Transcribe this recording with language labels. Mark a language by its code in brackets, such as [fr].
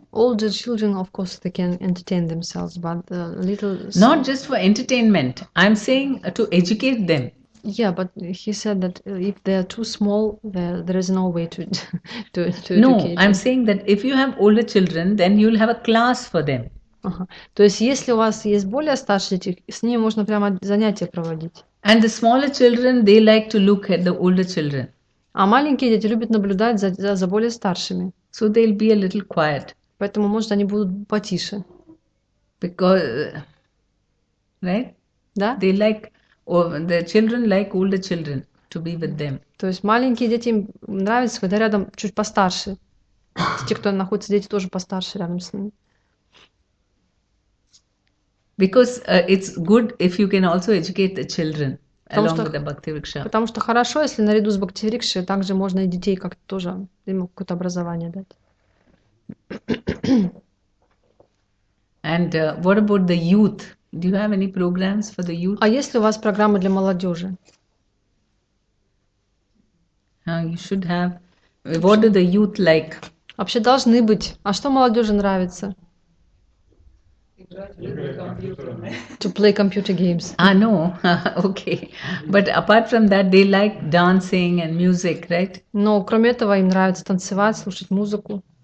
[en] Older children, of course, they can entertain themselves, but the little... Not just for entertainment. I'm saying to educate them. Yeah, but he said that if they are too small, there is no way to educate them. No, I'm saying that if you have older children, then you'll have a class for them. [ru] То есть, если у вас есть более старшие дети, с ними можно прямо занятия проводить. [en] And the smaller children, they like to look at the older children. [ru] А маленькие дети любят наблюдать за более старшими. [en] So they'll be a little quiet. [ru] Поэтому, может, они будут потише. [en] Because, right? [ru] Да? [en] They like, the children like older children to be with them. [ru] То есть маленькие дети им нравятся, когда рядом чуть постарше. Те, кто находится, дети тоже постарше рядом с ними. [en] Because it's good if you can also educate the children. [ru] Потому что хорошо, если наряду с бхакти-рикшей также можно и детей как-то тоже им какое-то образование дать. [en] And what about the youth? Do you have any programs for the youth? [ru] А есть ли у вас программы для молодежи? [en] You should have. What do the youth like? [ru] Вообще должны быть. А что молодежи нравится? [en] To play computer games. Ah, no. Okay. But apart from that, they like dancing and music, right? [ru] Но кроме этого им нравится танцевать, слушать музыку.